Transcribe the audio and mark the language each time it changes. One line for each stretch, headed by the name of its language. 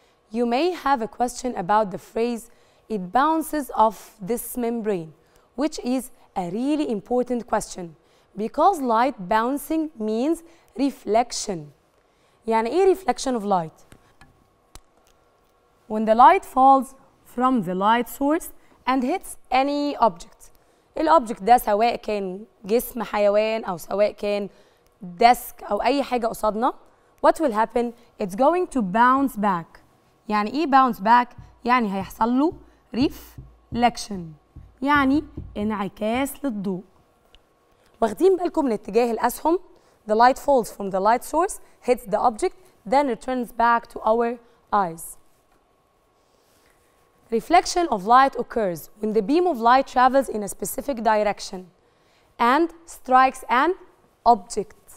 English: You may have a question about the phrase, it bounces off this membrane, which is a really important question, because light bouncing means reflection.
Arabic: يعني إيه reflection of light?
English: When the light falls from the light source and hits any object.
Arabic: الأوبجكت ده سواء كان جسم حيوان أو سواء كان ديسك أو أي حاجة قصادنا.
English: What will happen? It's going to bounce back.
Arabic: يعني إيه bounce back؟ يعني هيحصل له reflection. يعني انعكاس للضوء. واخدين بالكم من اتجاه الأسهم؟
English: The light falls from the light source, hits the object, then returns back to our eyes. Reflection of light occurs when the beam of light travels in a specific direction and strikes an object.